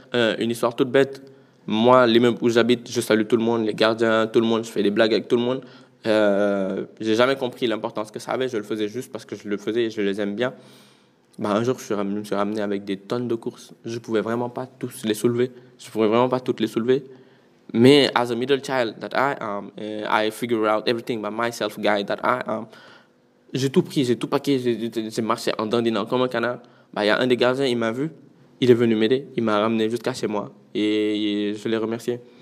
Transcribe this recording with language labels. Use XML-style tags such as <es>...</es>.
<fr>Une histoire toute bête. Moi, l'immeuble où j'habite, je salue tout le monde, les gardiens, tout le monde, je fais des blagues avec tout le monde. J'ai jamais compris l'importance que ça avait. Je le faisais juste parce que je le faisais et je les aime bien. Bah, un jour, je me suis ramené avec des tonnes de courses. Je ne pouvais vraiment pas tous les soulever. Je ne pouvais vraiment pas toutes les soulever. Mais</fr> <en>as a middle child that I am, I figure out everything by myself, guy that I am.</en> <fr>J'ai tout pris, j'ai tout paqué, j'ai marché en dandinant comme un canard. Bah, y a un des gardiens, il m'a vu, il est venu m'aider, il m'a ramené jusqu'à chez moi et je l'ai remercié.</fr>